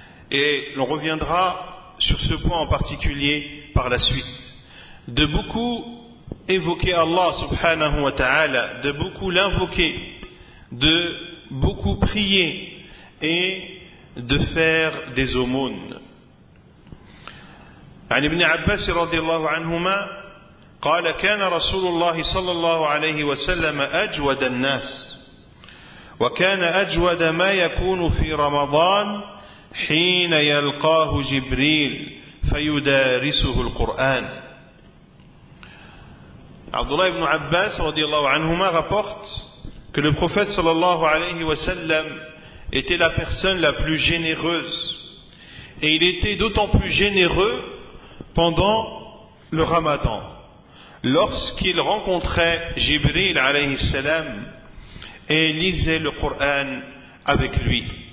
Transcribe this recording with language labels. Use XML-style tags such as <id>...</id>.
<fr>Et l'on reviendra sur ce point en particulier par la suite. De beaucoup évoquer Allah subhanahu wa ta'ala, de beaucoup l'invoquer, de beaucoup prier et de faire des aumônes.</fr> <ar>An ibn Abbas radiallahu anhuma, قال كان رسول الله صلى الله عليه وسلم أجود الناس وكان أجود ما يكون في رمضان حين يلقاه جبريل فيدارسه القرآن. عبد الله بن عباس رضي الله عنهما</ar> <fr>rapporte que le prophète</fr> <ar>صلى الله عليه وسلم</ar> <fr>était la personne la plus généreuse, et il était d'autant plus généreux pendant le Ramadan, lorsqu'il rencontrait Jibril alayhi salam et lisait le Coran avec lui.</fr>